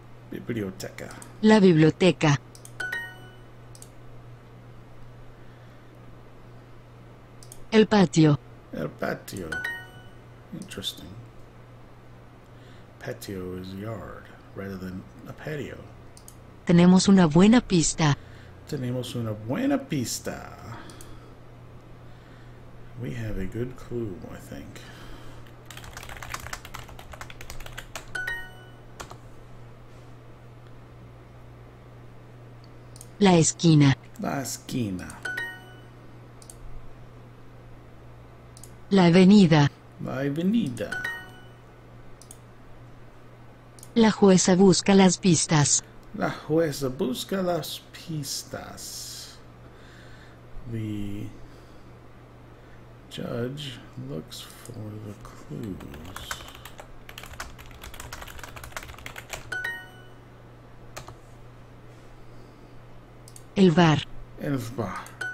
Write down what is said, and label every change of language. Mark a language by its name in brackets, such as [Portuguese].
[Spanish] Biblioteca. La biblioteca. El patio. El patio. Interesting. [English] Patio is yard rather than a patio. [Spanish] Tenemos una buena pista. Tenemos una buena pista. [English] We have a good clue, I think. [Spanish] La esquina. La esquina. La avenida. La avenida. La jueza busca las pistas. La jueza busca las pistas. [English] The judge looks for the clues. [Spanish] El bar. El bar.